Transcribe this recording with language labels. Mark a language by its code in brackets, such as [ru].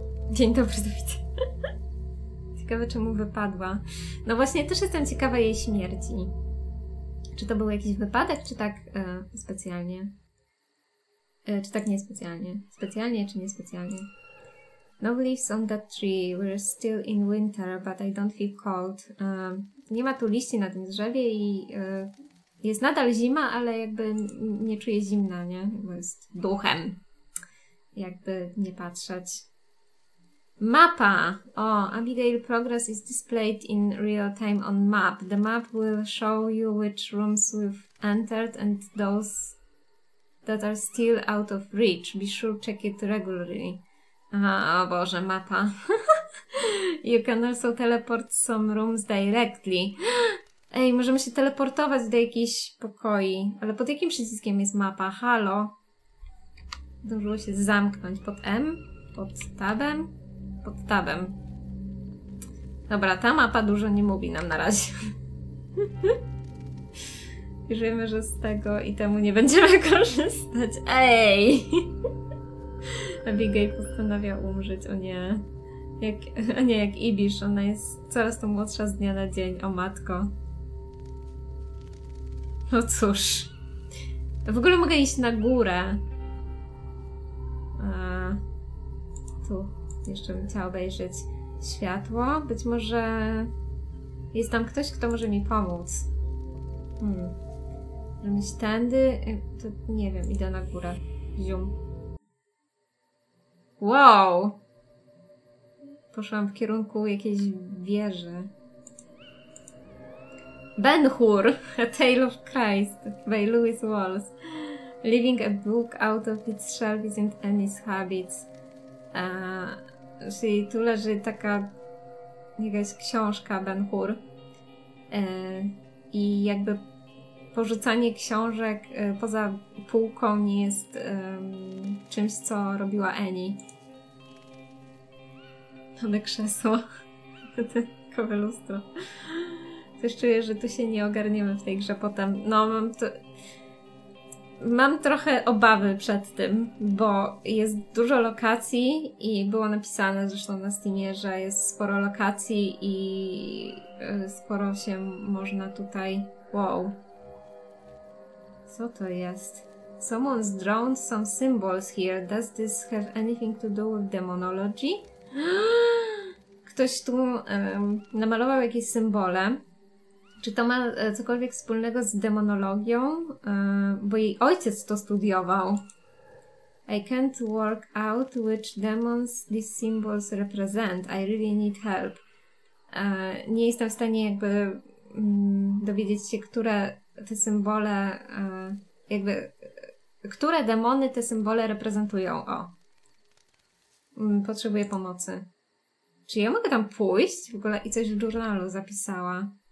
[pl] Dzień dobry, do widzenia. Ciekawe, czemu wypadła. No właśnie, też jestem ciekawa jej śmierci. Czy to był jakiś wypadek, czy tak specjalnie? Czy tak niespecjalnie? Specjalnie, czy niespecjalnie? [en] No leaves on that tree. We're still in winter, but I don't feel cold. [pl] Nie ma tu liści na tym drzewie i jest nadal zima, ale jakby nie czuję zimna, nie? Bo jest duchem. Jakby nie patrzeć. Mapa! [en] O, Abigail progress is displayed in real time on map. The map will show you which rooms we've entered and those that are still out of reach. Be sure to check it regularly. [pl] O Boże, mapa. [en] You can also teleport some rooms directly. [pl] Ej, możemy się teleportować do jakichś pokoi. Ale pod jakim przyciskiem jest mapa? Halo? Dążyło się zamknąć. Pod M? Pod tabem? Pod tabem. Dobra, ta mapa dużo nie mówi nam na razie. Wierzymy, że z tego i temu nie będziemy korzystać. Ej! Abigail postanawia umrzeć, o nie. Jak Ibisz, ona jest coraz to młodsza z dnia na dzień, o matko. No cóż. W ogóle mogę iść na górę. Tu. Jeszcze bym chciała obejrzeć światło. Być może jest tam ktoś, kto może mi pomóc. Możemy iść tędy? To nie wiem, idę na górę. Zium. Wow! Poszłam w kierunku jakiejś wieży. [en] Ben Hur! A Tale of Christ by Lewis Wallace. Leaving a book out of its shelf isn't Annie's habits. [pl] Czyli tu leży taka jakaś książka Ben-Hur i jakby porzucanie książek poza półką nie jest czymś, co robiła Annie. Mamy krzesło, tylko lustro. Też czuję, że tu się nie ogarniemy w tej grze potem. No mam to... Mam trochę obawy przed tym, bo jest dużo lokacji i było napisane zresztą na Steamie, że jest sporo lokacji i sporo się można tutaj... Wow. Co to jest? [en] Someone's drawn some symbols here. Does this have anything to do with demonology? [pl] Ktoś tu namalował jakieś symbole. Czy to ma cokolwiek wspólnego z demonologią? Bo jej ojciec to studiował. [en] I can't work out which demons these symbols represent. I really need help. [pl] Nie jestem w stanie jakby dowiedzieć się, które te symbole... jakby... Które demony te symbole reprezentują? O. Potrzebuję pomocy. Czy ja mogę tam pójść? W ogóle i coś w journalu zapisała.